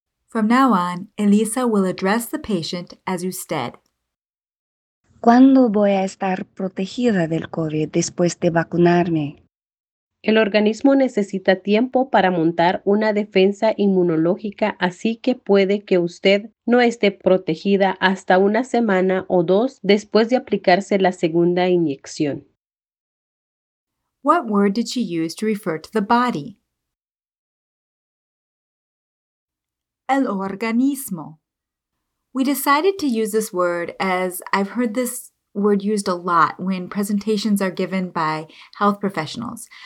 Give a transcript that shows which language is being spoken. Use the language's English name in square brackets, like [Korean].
[English] From now on, Elisa will address the patient as usted. [Spanish] ¿Cuándo voy a estar protegida del COVID después de vacunarme? El organismo necesita tiempo para montar una defensa inmunológica, así que puede que usted no esté protegida hasta 1 semana o 2 después de aplicarse la segunda inyección. [English] What word did she use to refer to the body? El organismo. We decided to use this word as I've heard this word used a lot when presentations are given by health professionals.